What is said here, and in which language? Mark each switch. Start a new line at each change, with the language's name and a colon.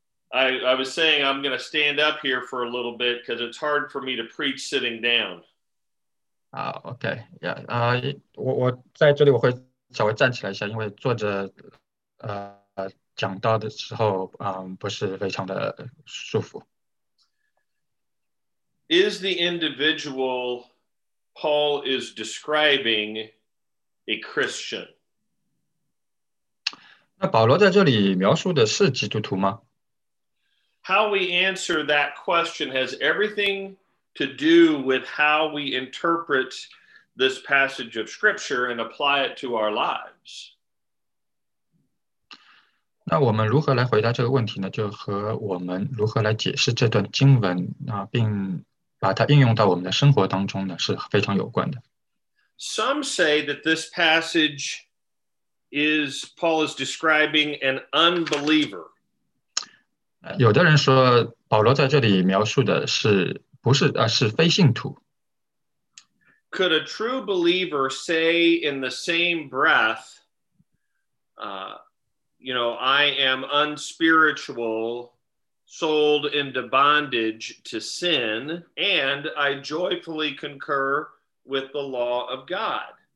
English: I was saying I'm going to stand up here for a little bit because it's hard for me to preach sitting down. Okay. Yeah.
Chinese: 我在这里我会稍微站起来一下，因为坐着，讲到的时候，不是非常的舒服。
English: Is the individual Paul is describing a Christian?
Chinese: 那保罗在这里描述的是基督徒吗？
English: How we answer that question has everything to do with how we interpret this passage of Scripture and apply it to our lives.
Chinese: 那我们如何来回答这个问题呢？就和我们如何来解释这段经文啊，并把它应用到我们的生活当中呢，是非常有关的。
English: Some say that this passage is Paul is describing an unbeliever.
Chinese: 有的人说，保罗在这里描述的是不是啊，是非信徒。
English: Could a true believer say in the same breath, you know, I am unspiritual, sold into bondage to sin, and I joyfully concur with the law of God?